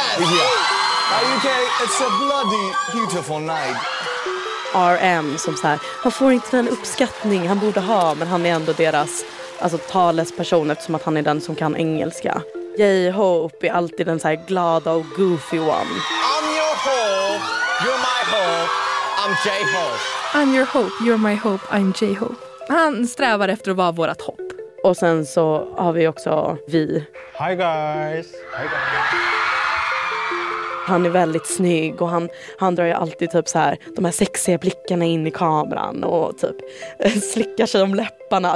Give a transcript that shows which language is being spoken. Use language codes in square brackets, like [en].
[en] Are you okay? It's a bloody beautiful night. [sv] RM som så här, han får inte den uppskattning han borde ha, men han är ändå deras alltså talesperson eftersom att han är den som kan engelska. J-Hope är alltid den så här glada och [en] goofy one. I'm your hope, you're my hope, I'm J-Hope. I'm your hope, you're my hope, I'm J-Hope. [sv] Han strävar efter att vara vårat hopp. Och sen så har vi också vi. [en] Hi guys! Hi guys! [sv] han är väldigt snygg och han drar ju alltid typ så här de här sexiga blickarna in i kameran och typ slickar sig om läpparna.